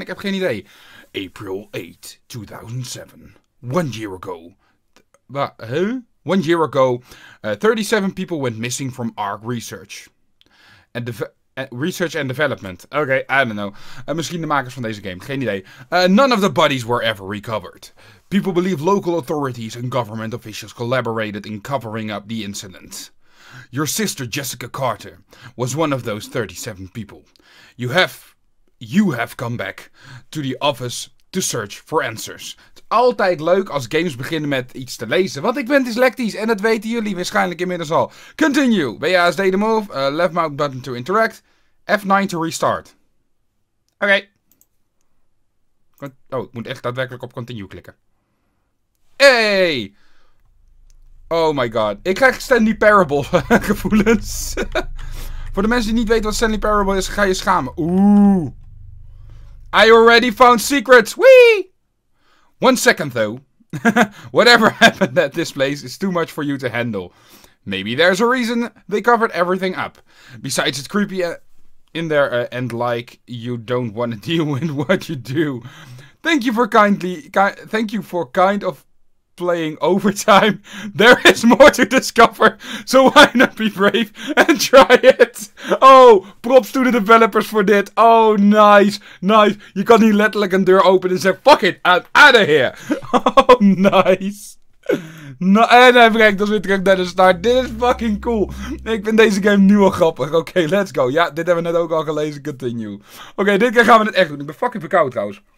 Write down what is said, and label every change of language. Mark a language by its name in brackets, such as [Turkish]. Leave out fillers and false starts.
[Dutch] Ik heb geen idee. [English] April 8, 2007. One year ago. One year ago. 37 people went missing from ARK Research. And the... Research and Development. Okay, I don't know. [Dutch] Misschien de makers van deze game. Geen idee. [English] None of the bodies were ever recovered. People believe local authorities and government officials collaborated in covering up the incident. Your sister Jessica Carter was one of those 37 people. You have come back to the office to search for answers. [Dutch] Het is altijd leuk als games beginnen met iets te lezen. Want ik ben dyslectisch en dat weten jullie waarschijnlijk inmiddels al. [English] Continue. WASD to move. Left mouse button to interact. F9 to restart. Oké. Okay. [Dutch] Oh, ik moet echt daadwerkelijk op continue klikken. [English] Hey! Oh my god. [Dutch] Ik krijg Stanley Parable gevoelens. Voor de mensen die niet weten wat Stanley Parable is, ga je schamen. [English] Oeh. I already found secrets! Whee! One second though. Whatever happened at this place is too much for you to handle. Maybe there's a reason they covered everything up. Besides, it's creepy in there and like you don't want to deal with what you do. Thank you for kind of playing Overtime. There is more to discover, so why not be brave and try it? Oh, props to the developers for dit. Oh, nice. [Dutch] Je kan hier letterlijk een deur openen en zeggen, [English] fuck it, I'm out of here. Oh, nice. No, [Dutch] en hij brengt ons weer terug naar de start. Dit is fucking cool. Ik vind deze game nu al grappig. Oké, [English] let's go. [Dutch] Ja, dit hebben we net ook al gelezen. Continue. Oké, dit keer gaan we het echt doen. Ik ben fucking verkoud trouwens.